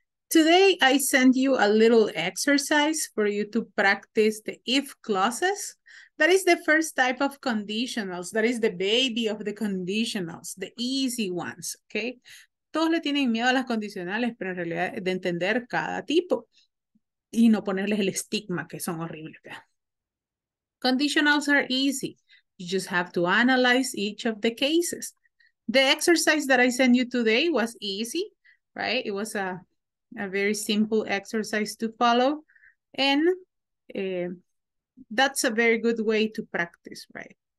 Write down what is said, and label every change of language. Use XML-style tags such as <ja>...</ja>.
<en>Today, I sent you a little exercise for you to practice the if clauses. That is the first type of conditionals. That is the baby of the conditionals, the easy ones, okay?</en> <es>Todos le tienen miedo a las condicionales, pero en realidad es de entender cada tipo y no ponerles el estigma que son horribles.</es> <en>Conditionals are easy. You just have to analyze each of the cases. The exercise that I sent you today was easy, right? It was a very simple exercise to follow. And that's a very good way to practice, right?</en>